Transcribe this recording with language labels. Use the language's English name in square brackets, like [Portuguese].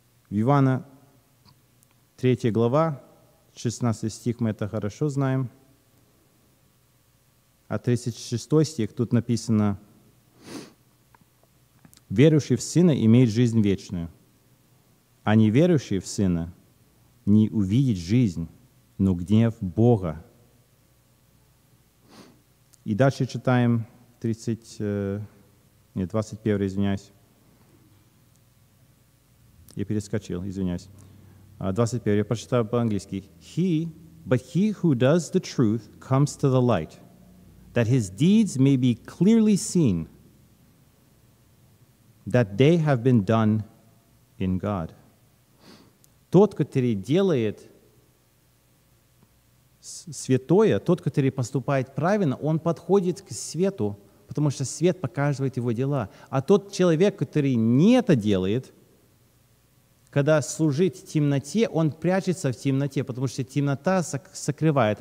[Russian] Иоанна 3 глава, 16 стих, мы это хорошо знаем, а 36 стих, тут написано: «Верующий в Сына имеет жизнь вечную, а неверующий в Сына не увидит жизнь, но гнев Бога». И дальше читаем 21, извиняюсь. Я перескочил, извиняюсь. 21, я прочитаю по-английски. [English] But he who does the truth comes to the light, that his deeds may be clearly seen, that they have been done in God. [Russian] Тот, который делает святое, тот, который поступает правильно, он подходит к свету, потому что свет показывает его дела. А тот человек, который не это делает, когда служит в темноте, он прячется в темноте, потому что темнота сокрывает.